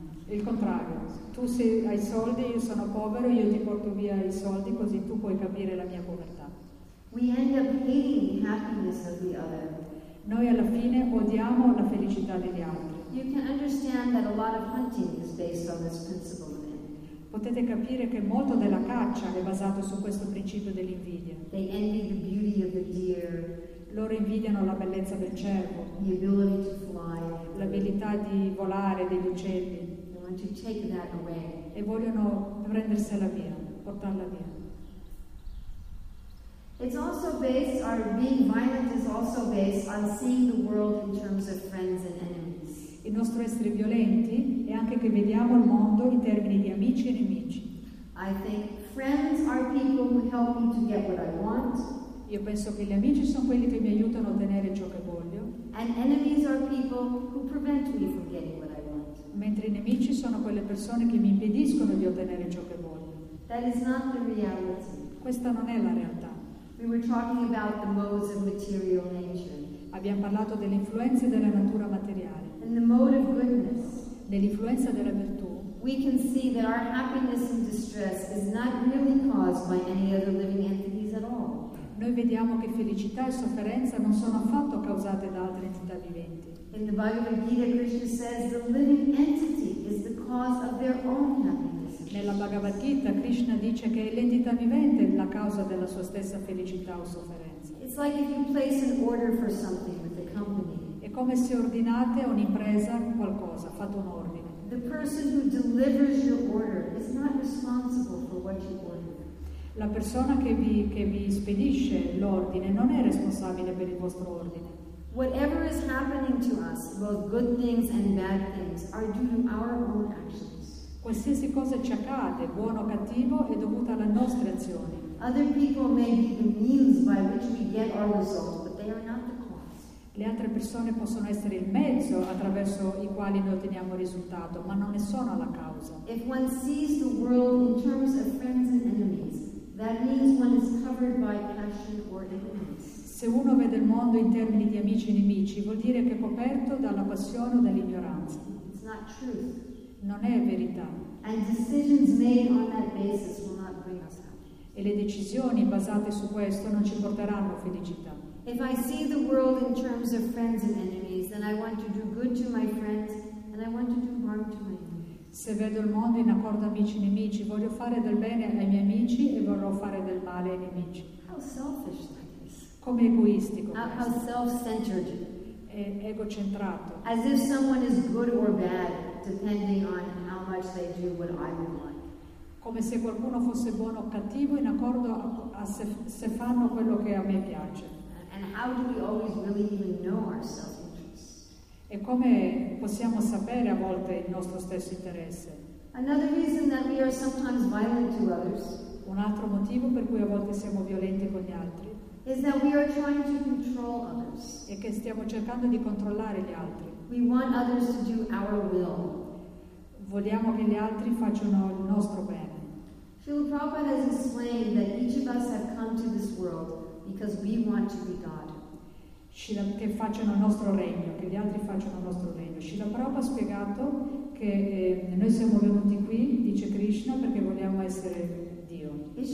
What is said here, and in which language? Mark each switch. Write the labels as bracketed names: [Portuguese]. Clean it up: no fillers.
[Italian] Il contrario, tu sei, hai soldi, io sono povero, io ti porto via i soldi così tu puoi capire la mia povertà. [English] We end up hating the happiness of the other. [Italian] Noi alla fine odiamo la felicità degli altri. [English] You can understand that a lot of hunting is based on this principle of envy. [Italian] Potete capire che molto della caccia è basato su questo principio dell'invidia. [English] They envy the beauty of the deer. [Italian] Loro invidiano la bellezza del cervo, [English] the ability to fly, [Italian] l'abilità di volare degli uccelli. [English] They want to take that away. [Italian] E vogliono prendersela via, portarla via. [English] It's also based on being violent is also based on seeing the world in terms of friends and enemies. [Italian] Il nostro essere violenti è anche che vediamo il mondo in termini di amici e nemici. [English] I think friends are people who help me to get what I want. [Italian] Io penso che gli amici sono quelli che mi aiutano a ottenere ciò che voglio. [English] And enemies are people who prevent me from getting what I want. [Italian] Mentre i nemici sono quelle persone che mi impediscono di ottenere ciò che voglio. [English] That is not the reality. [Italian] Questa non è la realtà. [English] We were talking about the modes of material nature. [Italian] Abbiamo parlato delle influenze della natura materiale. [English] And the mode of goodness. [Italian] Dell'influenza della virtù. [English] We can see that our happiness and distress is not really caused by any other living entities at all. [Italian] Noi vediamo che felicità e sofferenza non sono affatto causate da altre entità viventi. [English] In the Bhagavad Gita, Krishna says the living entity is the cause of their own happiness. [Italian] Nella Bhagavad Gita, Krishna dice che l'entità vivente è la causa della sua stessa felicità o sofferenza. [English] It's like if you place an order for something with a company. [Italian] È come se ordinate un'impresa qualcosa, fate un ordine. [English] The person who delivers your order is not responsible for what you order. [Italian] La persona che vi spedisce l'ordine non è responsabile per il vostro ordine. [English] Whatever is happening to us, both good things and bad things, are due to our own actions. [Italian] Qualsiasi cosa ci accade, buono o cattivo, è dovuta alle nostre azioni. [English] Other people may be the means by which we get our result, but they are not the cause. [Italian] Le altre persone possono essere il mezzo attraverso i quali noi otteniamo il risultato, ma non ne sono la causa. [English] If one sees the world in terms of friends and enemies, that means one is covered by passion or ignorance. [Italian] Se uno vede il mondo in termini di amici e nemici, vuol dire che è coperto dalla passione o dall'ignoranza. [English] It's not truth. [Italian] Non è verità. [English] And decisions made on that basis will not bring us happiness. [Italian] E le decisioni basate su questo non ci porteranno felicità. [English] If I see the world in terms of friends and enemies, then I want to do good to my friends and I want to do harm to my enemies. [Italian] Se vedo il mondo in accordo amici e nemici, voglio fare del bene ai miei amici e vorrò fare del male ai nemici. [English] How selfish that is. [Italian] Come egoistico. [English] How self-centered. [Italian] È egocentrato. [English] As if someone is good or bad, depending on how much they do what I would like. [Italian] Come se qualcuno fosse buono o cattivo in accordo a se fanno quello che a me piace. [English] And how do we always really even know ourselves? [Italian] E come possiamo sapere a volte il nostro stesso interesse? [English] Another reason that we are sometimes violent to others. [Italian] Un altro motivo per cui a volte siamo violenti con gli altri. [English] Is that we are trying to control others. [Italian] È che stiamo cercando di controllare gli altri. [English] We want others to do our will. [Italian] Vogliamo che gli altri facciano il nostro bene. [English] Srila Prabhupada has explained that each of us have come to this world because we want to be God. [Italian] Che facciano il nostro regno, che gli altri facciano il nostro regno. Srila Prabhupada ha spiegato che noi siamo venuti qui, dice Krishna, perché vogliamo essere Dio.